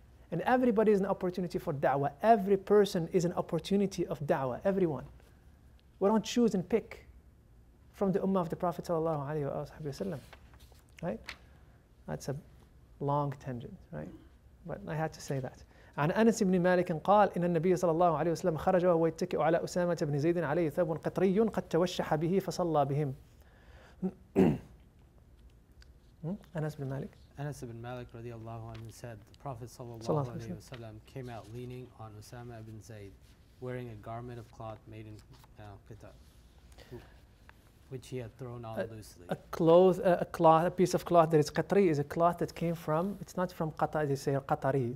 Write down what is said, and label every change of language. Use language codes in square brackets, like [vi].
[en] And everybody is an opportunity for da'wah. Every person is an opportunity of da'wah, everyone. We don't choose and pick from the ummah of the Prophet sallallahu alaihi wasallam, right? That's a long tangent, right? But I had to say that. [ar] عن أنس بن مالك قال إن النبي صلى الله عليه وسلم خرج وهو يتكئ على أسامة بن زيد عليه ثوب قطري قد توشح به فصلى بهم. أنس بن مالك. [en] أنس بن مالك [ar] رضي الله عنه [en] said the Prophet [ar] صلى الله عليه وسلم [en] came out leaning on أسامة بن زيد wearing a garment of cloth made in قطر which he had thrown on loosely. A cloth, a piece of cloth that is qatari is a cloth that came from, it's not from Qatar, they say Qatari.